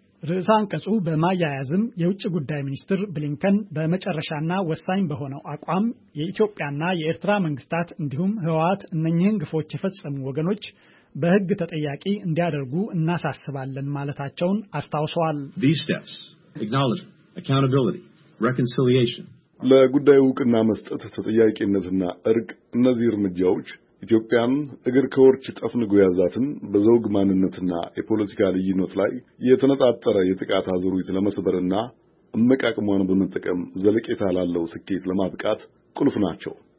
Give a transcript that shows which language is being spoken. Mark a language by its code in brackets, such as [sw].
[am] ርዕሰ አንቀጹ በማያያዝም የውጭ ጉዳይ ሚኒስትር ብሊንከን በመጨረሻና ወሳኝ በሆነው አቋም የኢትዮጵያና የኤርትራ መንግስታት እንዲሁም ህወሓት እነኚህን ግፎች የፈጸሙ ወገኖች በህግ ተጠያቂ እንዲያደርጉ እናሳስባለን ማለታቸውን አስታውሰዋል። [en] These steps, acknowledge, accountability, reconciliation. [am] ለጉዳዩ ዕውቅና መስጠት፣ ተጠያቂነትና እርቅ እነዚህ እርምጃዎች ኢትዮጵያን እግር ከወርች ጠፍንጎ ያዛትን በዘውግ ማንነትና የፖለቲካ ልዩነት ላይ የተነጣጠረ የጥቃት አዙሪት ለመስበርና አመቃቀሟን በመጠቀም ዘለቄታ ላለው ስኬት ለማብቃት ቁልፍ ናቸው።